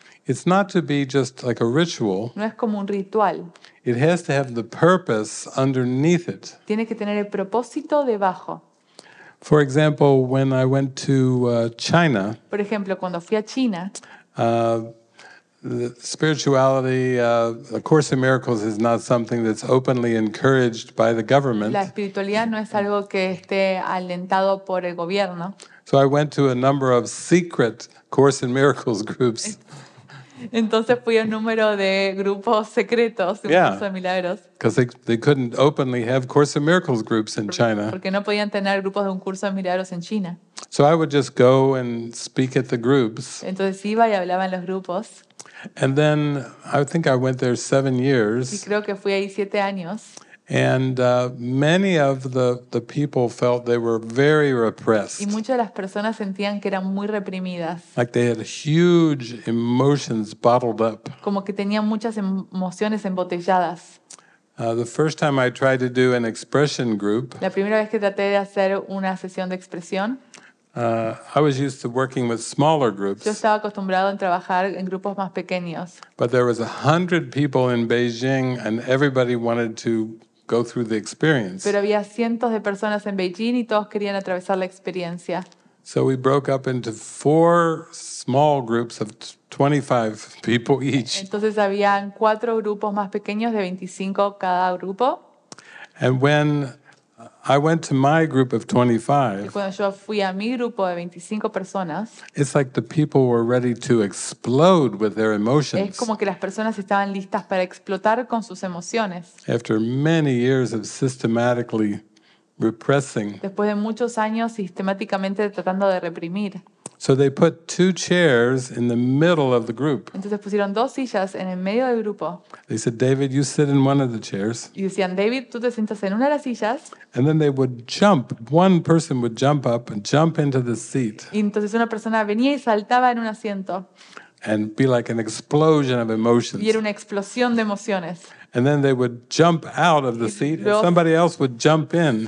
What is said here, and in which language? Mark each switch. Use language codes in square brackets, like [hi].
[en] It's not to be just like a ritual. [es] No es como un ritual. [en] It has to have the purpose underneath it. [es] Tiene que tener el propósito debajo. [en] For example, when I went to China. [es] Por ejemplo, cuando fui a China. [en] The spirituality, A Course in Miracles is not something that's openly encouraged by the government. [es] La espiritualidad no es algo que esté alentado por el gobierno. [en] So I went to a number of secret Course in Miracles groups. [es] Entonces fui a un número de grupos secretos, de milagros. [en] Because they couldn't openly have Course in Miracles groups in China. [es] Porque no podían tener grupos de un curso de milagros en China. [en] So I would just go and speak at the groups. [es] Entonces iba y hablaba en los grupos. [en] And then I think I went there 7 years. [es] Y creo que fui ahí 7 años. [en] And many of the people felt they were very repressed. [es] Y muchas de las personas sentían que eran muy reprimidas. [en] Like they had huge emotions bottled up. [es] Como que tenían muchas emociones embotelladas. [en] The first time I tried to do an expression group. [es] La primera vez que traté de hacer una sesión de expresión. [en] I was used to working with smaller groups. [es] Yo estaba acostumbrado a trabajar en grupos más pequeños. [en] But there was 100 people in Beijing, and everybody wanted to go through the experience. [es] Pero había cientos de personas en Beijing y todos querían atravesar la experiencia. [en] So we broke up into 4 small groups of 25 people each. [es] Entonces habían 4 grupos más pequeños de 25 cada grupo. [en] And when I went to my group of 25. [es] Y cuando yo fui a mi grupo de 25 personas. [en] It's like the people were ready to explode with their emotions. [es] Es como que las personas estaban listas para explotar con sus emociones. [en] After many years of systematically repressing. [es] Después de muchos años sistemáticamente tratando de reprimir. [en] So they put 2 chairs in the middle of the group. [es] Entonces pusieron 2 sillas en el medio del grupo. [en] They said, "David, you sit in one of the chairs." [es] Y decían, "David, tú te sientas en una de las sillas." [en] And then they would jump. One person would jump up and jump into the seat. [es] Y entonces una persona venía y saltaba en un asiento. [en] And be like an explosion of emotions. [es] Y era una explosión de emociones. [en] And then they would jump out of the seat and somebody else would jump in.